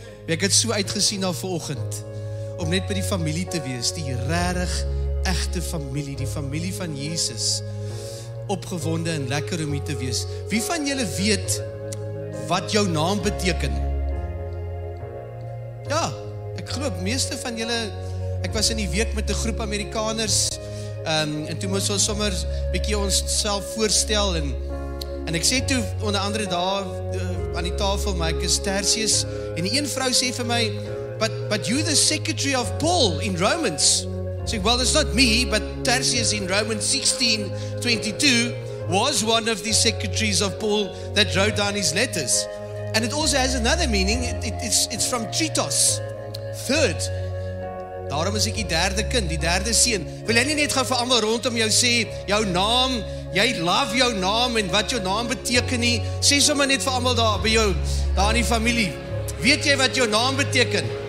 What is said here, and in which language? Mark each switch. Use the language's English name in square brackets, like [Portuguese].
[Afrikaans] Ek het so uitgesien na vanoggend om net by die familie te wees, die regtig egte familie, die familie van Jesus. Opgewonde en lekker om hier te wees. Wie van julle weet wat jou naam beteken? Ja, ek glo meeste van julle, ek was in die week met 'n groep Amerikaners en toe moes ons sommer bietjie ons self voorstel en ek sê toe onder andere daar aan die tafel, my ek is Tertius, en die een vrou sê vir my, [English] but you the secretary of Paul in Romans. Sê, well, it's not me, but Tertius in Romans 16:22 was one of the secretaries of Paul that wrote down his letters. And it also has another meaning, it's from Tritos, third. [Afrikaans] Daarom is ek die derde kind, die derde seën. Wil jy nie net gaan vir almal rondom jou sê, jou naam, jy love jou naam en wat jou naam beteken nie. Sê sommer net vir almal daar by jou, daar in die familie. Weet jy wat jou naam beteken?